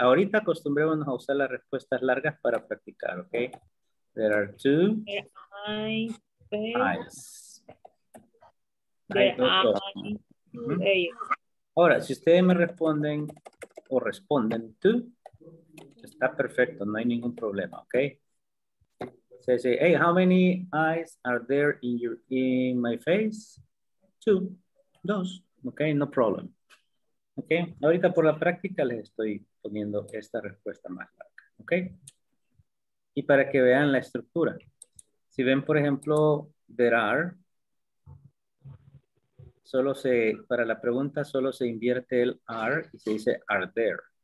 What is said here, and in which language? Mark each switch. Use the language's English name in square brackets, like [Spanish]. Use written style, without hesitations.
[Spanish] Ahorita acostumbrémonos a usar las respuestas largas para practicar, ok. [English] There are two eyes. There are two eyes. [Spanish] Ahora, si ustedes me responden o responden tú, está perfecto, no hay ningún problema, ¿ok? Se dice, [English] hey, how many eyes are there in my face? Two, dos, ¿ok? No problem. ¿Ok? [Spanish] Ahorita por la práctica les estoy poniendo esta respuesta más larga, ¿ok? Y para que vean la estructura. Si ven, por ejemplo, [English] there are, [Spanish] solo se, para la pregunta solo se invierte el are y se dice [English] are there.